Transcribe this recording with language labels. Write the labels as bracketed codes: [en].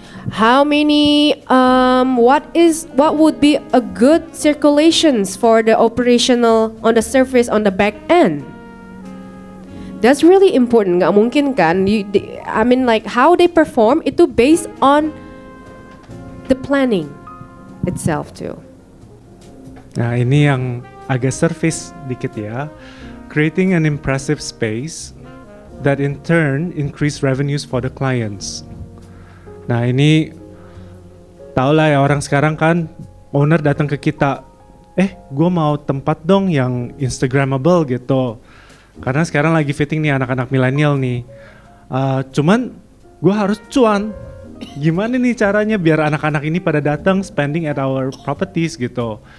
[en] How many, what would be a good circulations for the operational on the surface on the back end? That's really important, gak mungkin kan? How they perform, itu based on the planning itself too. [id] Nah, ini yang agak surface dikit ya. [en] Creating an impressive space that in turn increase revenues for the clients. [id] Nah, ini tau lah ya, orang sekarang kan owner datang ke kita, gue mau tempat dong yang instagramable gitu karena sekarang lagi fitting nih anak-anak milenial nih, cuman gue harus cuan, gimana nih caranya biar anak-anak ini pada datang [en] spending at our properties [id] gitu.